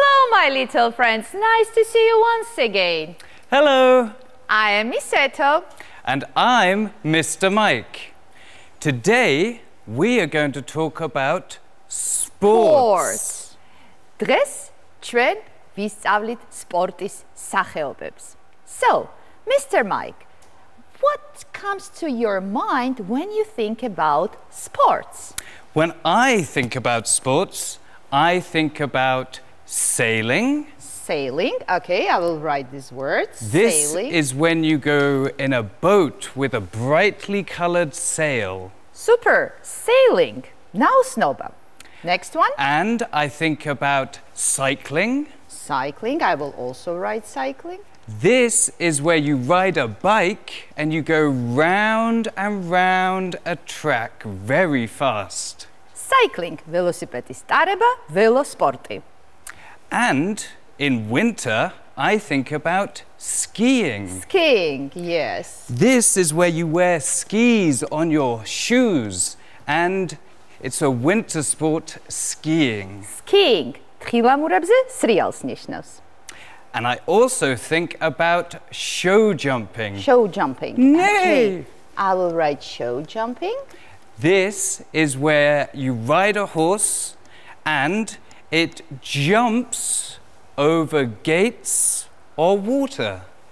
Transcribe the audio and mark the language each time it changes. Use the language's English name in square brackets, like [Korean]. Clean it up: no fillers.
[English] My little friends, nice to see you once again. Hello. I am Miss Eto. And I'm Mr. Mike. Today, we are going to talk about sports. [Georgian] დღეს ჩვენ ვისწავლით სპორტის სახეობებს. [English] So, Mr. Mike, what comes to your mind when you think about sports? When I think about sports, I think about sailing. Sailing, okay, I will write these words. This sailing. Is when you go in a boat with a brightly colored sail. Super, sailing. Now, Snoba. Next one. And I think about cycling. Cycling, I will also write cycling. This is where you ride a bike and you go round and round a track very fast. Cycling, [Georgian] velocipedi stareba, velosporti. [English] And in winter, I think about skiing. Skiing, yes. This is where you wear skis on your shoes and it's a winter sport, skiing. Skiing, [Georgian] თხილამურებზე სრიალს ნიშნავს. [English] And I also think about show jumping. Show jumping. Nay! Okay. I will write show jumping. This is where you ride a horse and it jumps over gates or water.